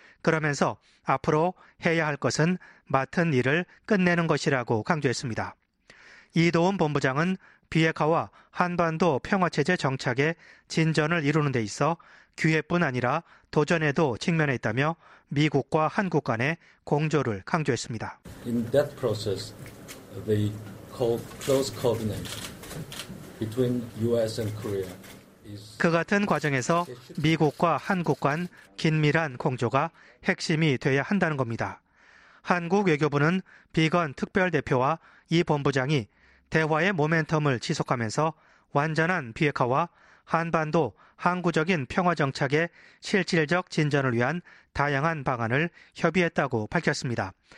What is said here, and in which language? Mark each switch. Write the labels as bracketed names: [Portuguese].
[Korean] 그러면서 앞으로 해야 할 것은 맡은 일을 끝내는 것이라고 강조했습니다. 이도훈 본부장은 비핵화와 한반도 평화체제 정착에 진전을 이루는 데 있어 기회뿐 아니라 도전에도 직면해 있다며 미국과 한국 간의 공조를 강조했습니다. [English] In that process, the close covenant between US and Korea. [Korean] 그 같은 과정에서 미국과 한국 간 긴밀한 공조가 핵심이 돼야 한다는 겁니다. 한국 외교부는 비건 특별대표와 이 본부장이 대화의 모멘텀을 지속하면서 완전한 비핵화와 한반도 항구적인 평화 정착의 실질적 진전을 위한 다양한 방안을 협의했다고 밝혔습니다.